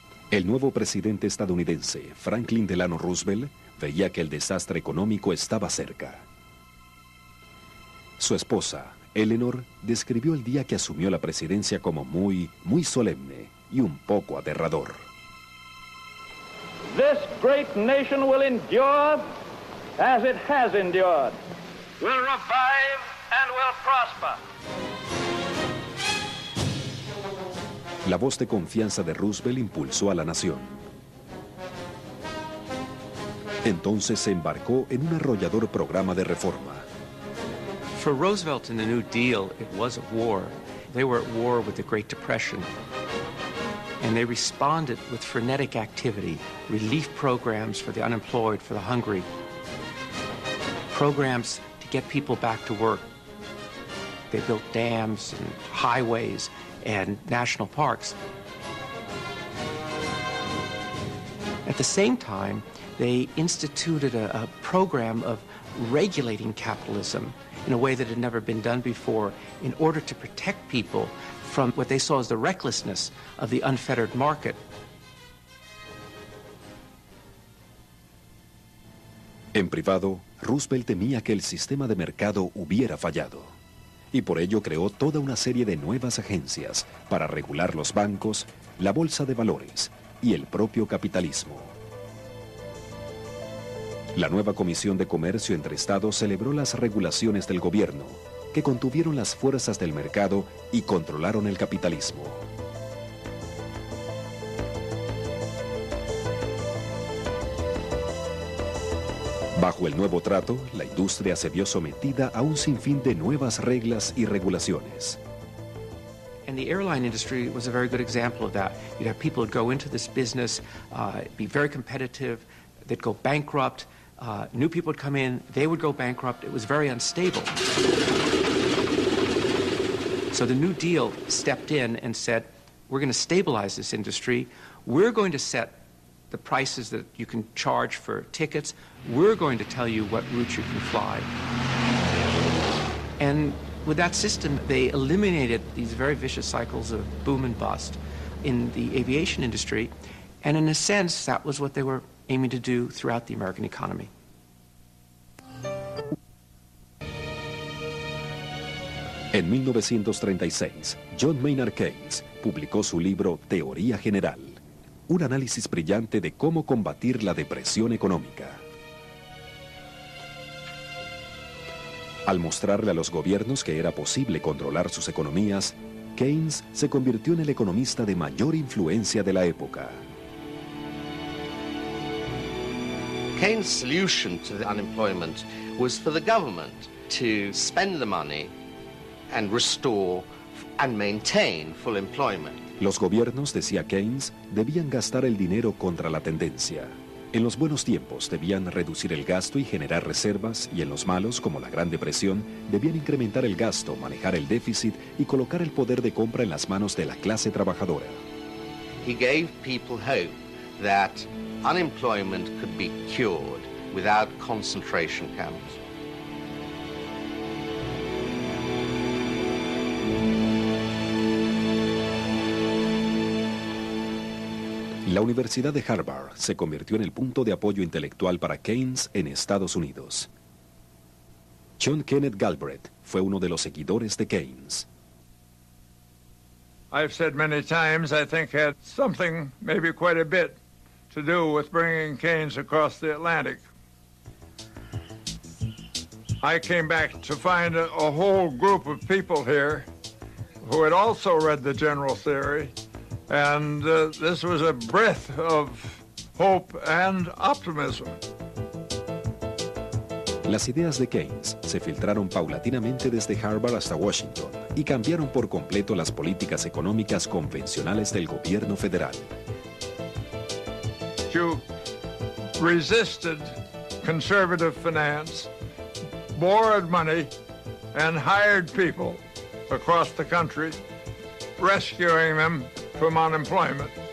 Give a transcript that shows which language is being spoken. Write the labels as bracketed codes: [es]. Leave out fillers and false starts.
[es] El nuevo presidente estadounidense, Franklin Delano Roosevelt, veía que el desastre económico estaba cerca. Su esposa, Eleanor, describió el día que asumió la presidencia como muy, muy solemne y un poco aterrador. [en] This great nation will endure as it has endured. Will revive and will prosper. [es] La voz de confianza de Roosevelt impulsó a la nación. Entonces se embarcó en un arrollador programa de reforma. [en] For Roosevelt and the New Deal, it was a war. They were at war with the Great Depression. And they responded with frenetic activity, relief programs for the unemployed, for the hungry, programs to get people back to work. They built dams and highways and national parks. At the same time, they instituted a program of regulating capitalism in a way that had never been done before, in order to protect people from what they saw as the recklessness of the unfettered market. [es] En privado, Roosevelt temía que el sistema de mercado hubiera fallado, y por ello creó toda una serie de nuevas agencias para regular los bancos, la bolsa de valores y el propio capitalismo. La nueva Comisión de Comercio entre Estados celebró las regulaciones del gobierno, que contuvieron las fuerzas del mercado y controlaron el capitalismo. Bajo el nuevo trato, la industria se vio sometida a un sinfín de nuevas reglas y regulaciones. [en] And the airline industry was a very good example of that. You'd have people go into this business, be very competitive, they'd go bankrupt. New people would come in, they would go bankrupt. It was very unstable. So the New Deal stepped in and said, we're going to stabilize this industry. We're going to set the prices that you can charge for tickets. We're going to tell you what routes you can fly. And with that system, they eliminated these very vicious cycles of boom and bust in the aviation industry. And in a sense, that was what they were aiming to do throughout the American economy. [es] En 1936, John Maynard Keynes publicó su libro Teoría General, un análisis brillante de cómo combatir la depresión económica. Al mostrarle a los gobiernos que era posible controlar sus economías, Keynes se convirtió en el economista de mayor influencia de la época. [en] Keynes' solution to the unemployment was for the government to spend the money and restore and maintain full employment. [es] Los gobiernos, decía Keynes, debían gastar el dinero contra la tendencia. En los buenos tiempos debían reducir el gasto y generar reservas, y en los malos, como la Gran Depresión, debían incrementar el gasto, manejar el déficit y colocar el poder de compra en las manos de la clase trabajadora. [en] He gave people hope that unemployment could be cured without concentration camps. [es] La La Universidad de Harvard se convirtió en el punto de apoyo intelectual para Keynes en Estados Unidos. John Kenneth Galbraith fue uno de los seguidores de Keynes. [en] I've said many times I think had something, maybe quite a bit, to do with bringing Keynes across the Atlantic. I came back to find a whole group of people here who had also read the general theory, and this was a breath of hope and optimism. [es] Las ideas de Keynes se filtraron paulatinamente desde Harvard hasta Washington y cambiaron por completo las políticas económicas convencionales del gobierno federal. [en] You resisted conservative finance, borrowed money, and hired people across the country, rescuing them from unemployment.